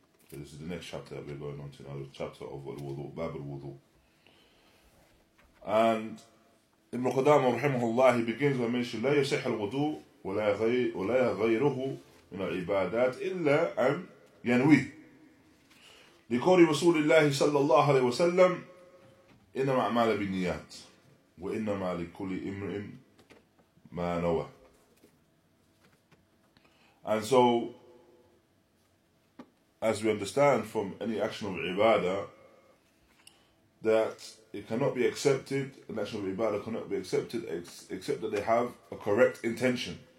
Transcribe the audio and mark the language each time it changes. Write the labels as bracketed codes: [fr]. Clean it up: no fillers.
[en] So this is the next chapter that we're going on to, another chapter of al-wudu, Bab al-wudu. And Ibn Qudamah, rahimahullah, he begins by mentioning, [ar] لا يصح الوضوء ولا غيره من العبادات إلا أن ينوي. لقول رسول الله صلى الله عليه وسلم, إنما أعمال بالنيات وإنما لكل امرئ ما نوى. [en] And so, as we understand from any action of ibadah, that it cannot be accepted, an action of ibadah cannot be accepted except that they have a correct intention.